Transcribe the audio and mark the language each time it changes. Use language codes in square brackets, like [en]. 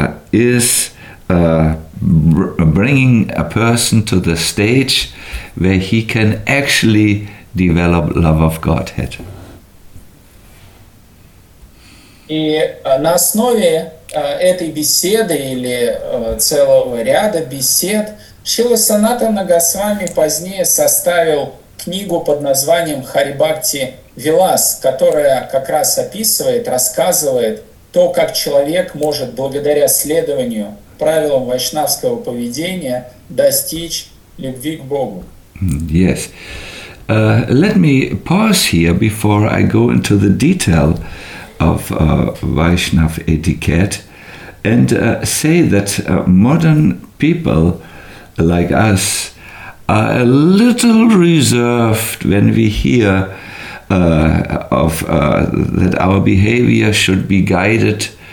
[en] is bringing a person to the stage where he can actually develop love of Godhead. [ru] И на основе этой беседы или целого ряда бесед Шрила Санатана Госвами позднее составил книгу под названием «Хари Бхакти Вилас», которая как раз описывает, рассказывает то, как человек может благодаря следованию правилам вайшнавского поведения достичь любви к Богу. [en] Yes. Let me pause here before I go into the detail of Vaishnav etiquette and say that modern people like us are a little reserved when we hear that our behavior should be guided